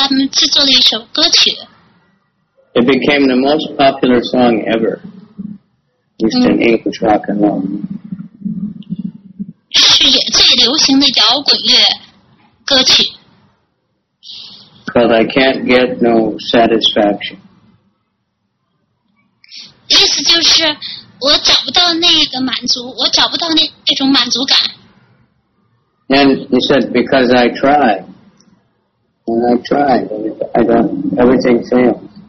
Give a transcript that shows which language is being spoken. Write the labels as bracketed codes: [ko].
[zh] 久以前呢，有一个非常流行的一个乐队，他们制作了一首歌曲。 [en] It became the most popular song ever, just in English rock and roll. [zh] 是最流行的摇滚乐歌曲。 [en] Called I Can't Get No Satisfaction. [zh] 意思就是我找不到那个满足，我找不到那种满足感。 [en] And he said, because I try, and I try, I don't, everything fails.